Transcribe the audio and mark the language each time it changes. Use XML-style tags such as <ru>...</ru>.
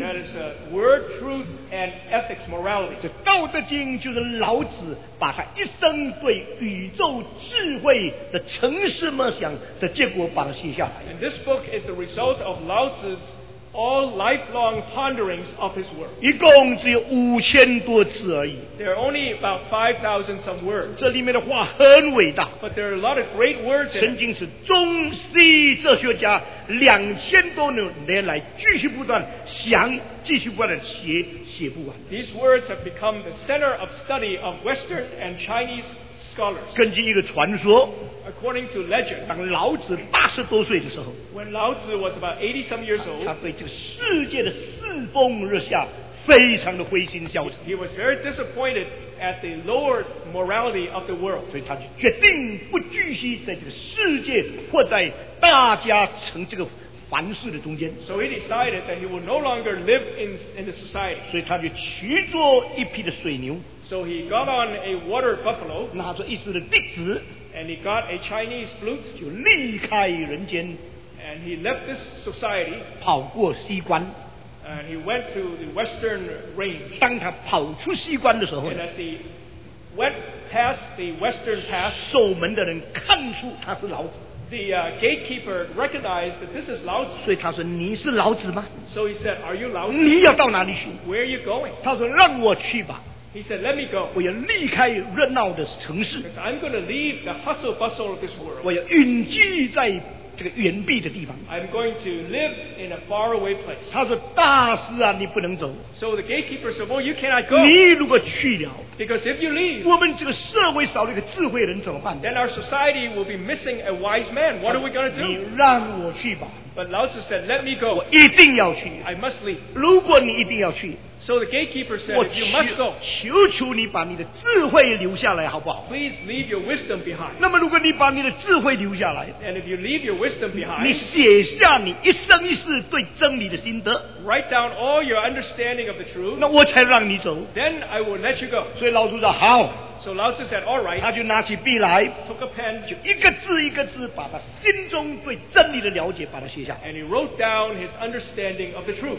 <en>that is a word, truth, and ethics, morality</en> <zh>这道德经就是老子把他一生对宇宙智慧的沉思默想的结果把它写下来</zh> <en>and this book is the result of 老子's all lifelong ponderings of his work</en> <zh>一共只有五千多字而已</zh> <en>there are only about 5,000 some words</en> <zh>这里面的话很伟大</zh> <en>but there are a lot of great words</en> <zh>曾经是中西哲学家两千多年来继续不断想继续不断写写不完</zh> <en>these words have become the center of study of Western and Chinese scholars</en> <zh>根据一个传说</zh> <en>according to legend</en> <zh>当老子八十多岁的时候</zh> <en>when 老子 was about 80 some years old</en> <zh>他对这个世界的世风日下非常的灰心消沉</zh> <en>he was very disappointed at the lower morality of the world</en> <zh>所以他就决定不继续在这个世界或在大家成这个凡事的中间</zh> <en>so he decided that he would no longer live in the society</en> <zh>所以他就驱逐一匹的水牛</zh> <en>so he got on a water buffalo</en> <zh>拿着一只的笛子</zh> <en>And he got a Chinese flute.</en> <zh>就离开人间。</zh> <en>And he left this society.</en> <zh>跑过西关。</zh> <en>And he went to the western range.</en> <zh>当他跑出西关的时候。</zh> <en>And as he went past the western pass.</en> <zh>守门的人看出他是老子。</zh> <en>The gatekeeper recognized that this is Lao Zi.</en> <zh>所以他说你是老子吗？</zh> <en>So he said, are you Lao Zi?</en> <zh>你要到哪里去？</zh> <en>Where are you going?</en> <zh>他说让我去吧。</zh> <en>He said, let me go.</en> <zh>我要离开热闹的城市。</zh> <en>Because I'm going to leave the hustle bustle of this world.</en> <zh>我要隐居在这个远僻的地方。</zh> <en>I'm going to live in a far away place.</en> <zh>他说大师啊，你不能走。</zh> <en>So the gatekeeper said, well, you cannot go.</en> <zh>你如果去了。</zh> <en>Because if you leave,</en> <zh>我们这个社会少了一个智慧人怎么办？</zh> <en>Then our society will be missing a wise man. What are we going to do?</en> <zh>你让我去吧。</zh> <en>But Lao Tzu said, let me go.</en> <zh>我一定要去。</zh> <en>I must leave.</en> <zh>如果你一定要去。</zh> <en>So the gatekeeper said, you must go.</en> <zh>求求你把你的智慧留下来好不好？</zh> <en>Please leave your wisdom behind.</en> <zh>那么如果你把你的智慧留下来。</zh> <en>And if you leave your wisdom behind.</en> <zh>你写下你一生一世对真理的心得。</zh> <en>Write down all your understanding of the truth.</en> <zh>那我才让你走。</zh> <en>Then I will let you go.</en> <zh>所以老祖说好。</zh> <en>So Lao Tzu said, all right.</en> <zh>他就拿起笔来。</zh> <en>Took a pen.</en> <zh>就一个字一个字把他心中对真理的了解把他写下。</zh> <en>And he wrote down his understanding of the truth.</en>